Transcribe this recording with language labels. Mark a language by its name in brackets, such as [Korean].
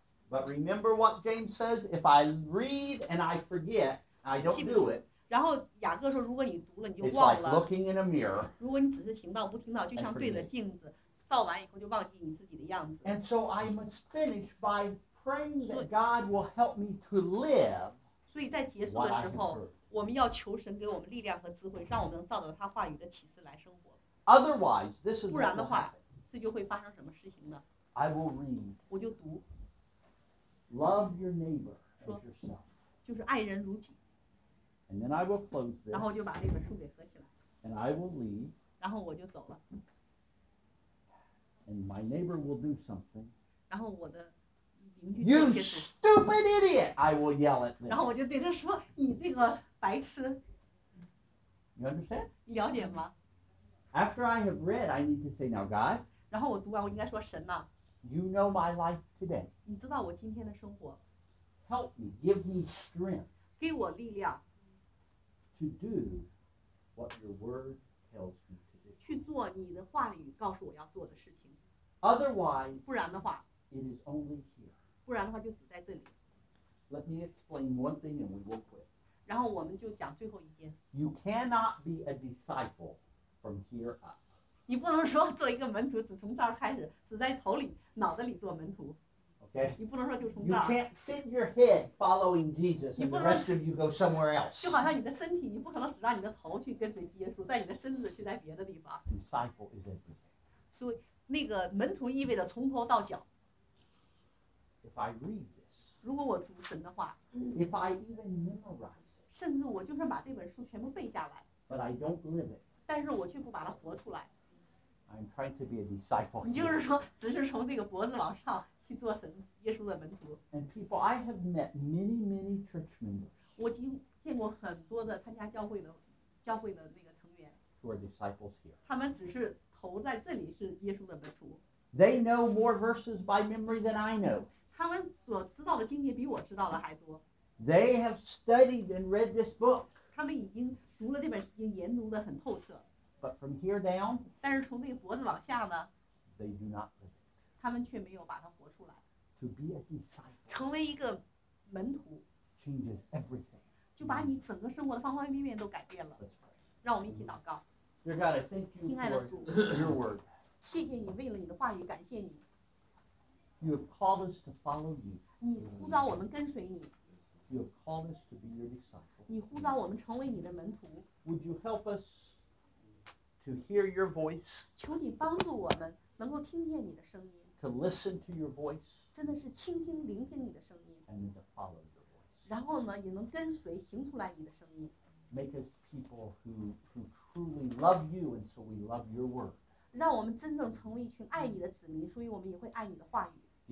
[English] But remember what James says, if I read and I forget, I don't do it. [Chinese] 然后雅各说，如果你读了，你就忘了。 [English] It's like looking in a mirror. [Chinese] 如果你只是行道不听道，就像对着镜子，照完以后就忘记你自己的样子。 [English] And so I must finish by praying that God will help me to live. [Chinese] 所以在结束的时候，我们要求神给我们力量和智慧，让我们能照着他话语的启示来生活。 [English] Otherwise, this is [Chinese] 不然的话，这就会发生什么事情呢 [English] ？I will read. [Chinese] 我就读。 [English] Love your neighbor as yourself. [Chinese] 就是爱人如己。 [English] And then I will close this. [Chinese] 然后就把这本书给合起来。 [English] And I will leave. [Chinese] 然后我就走了。 [English] And my neighbor will do something. [Chinese] 然后我的邻居 [English] You stupid idiot! I will yell at them. [Chinese] 然后我就对他说：“你这个白痴。” [English] You understand? [Chinese] 你了解吗？ [English] After I have read, I need to say, "Now, God." [Chinese] 然后我读完，我应该说：“神呐。” [English] You know my life today. [Chinese] 你知道我今天的生活。 [English] Help me. Give me strength. [Chinese] 给我力量。 [English] To do what your word tells me to do. [Chinese] 去做你的话语告诉我要做的事情。 [English] Otherwise, [Chinese] 不然的话 [English] it is only here. [Chinese] 不然的话就只在这里。 [English] Let me explain one thing and we will quit. [Chinese] 然后我们就讲最后一件。 [English] You cannot be a disciple from here up. [Chinese] 你不能说做一个门徒只从这儿开始，只在头里、脑子里做门徒。 [English] Okay. [Chinese] 你不能说就从这儿。 [English] You can't sit your head following Jesus and the rest of you go somewhere else. [Chinese] 就好像你的身体，你不可能只让你的头去跟随耶稣，但你的身子去在别的地方。 [English] Disciple is everything. [Chinese] 所以那个门徒意味着从头到脚。 [English] If I read this. [Chinese] 如果我读神的话。 [English] If I even memorize it. [Chinese] 甚至我就是把这本书全部背下来。 [English] But I don't live it. [Chinese] 但是我却不把它活出来。 [English] I'm trying to be a disciple. [Chinese] 你就是说，只是从这个脖子往上。做神耶稣的门徒。 [English] And people, I have met many, many church members. [Chinese] 我已经见过很多的参加教会的那个成员。 [English] Who are disciples here? [Chinese] 他们只是头在这里是耶稣的门徒。 [English] They know more verses by memory than I know. [Chinese] 他们所知道的经典比我知道的还多。 [English] They have studied and read this book. [Chinese] 他们已经读了这本书，研读的很透彻。 [English] But from here down, [Chinese] 但是从那个脖子往下呢 [English] ？They do not. [Chinese] 他们却没有把它活出来。 [English] To be a disciple, [Chinese] 成为一个门徒 [English] changes everything, [Chinese] 就把你整个生活的方方面面都改变了。让我们一起祷告。 [English] Dear God, I thank you for your word. [Chinese] 谢谢你为了你的话语，感谢你。 [English] You have called us to follow you. [Chinese] 你呼召我们跟随你。 [English] You have called us to be your disciple. [Chinese] 你呼召我们成为你的门徒。 [English] Would you help us to hear your voice? [Chinese] 求你帮助我们。能够听见你的声音 [English] ，to listen to your voice， [Chinese] 真的是倾听、聆听你的声音 [English] ，and to follow your voice， [Chinese] 然后呢，也能跟随、行出来你的声音。 [English] Make us people who truly love you, and so we love your word。 [Chinese] 让我们真正成为一群爱你的子民，所以我们也会爱你的话语。